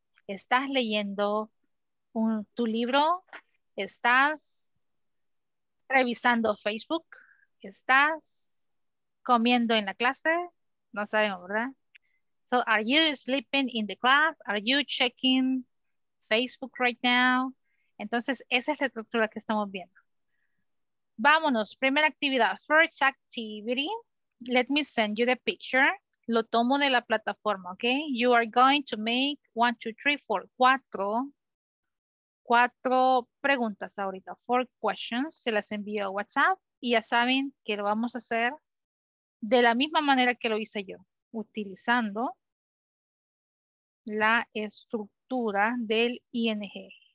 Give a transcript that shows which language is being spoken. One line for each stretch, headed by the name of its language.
Spanish: Estás leyendo tu libro, estás revisando Facebook, estás comiendo en la clase, no sabemos, ¿verdad?
English: So, are you sleeping in the class? Are you checking Facebook right now?
Spanish: Entonces, esa es la estructura que estamos viendo. Vámonos, primera actividad.
English: First activity, let me send you the picture.
Spanish: Lo tomo de la plataforma, ¿ok?
English: You are going to make 1, 2, 3, 4,
Spanish: cuatro preguntas ahorita,
English: 4 questions,
Spanish: se las envío a WhatsApp y ya saben que lo vamos a hacer de la misma manera que lo hice yo, utilizando la estructura del ING.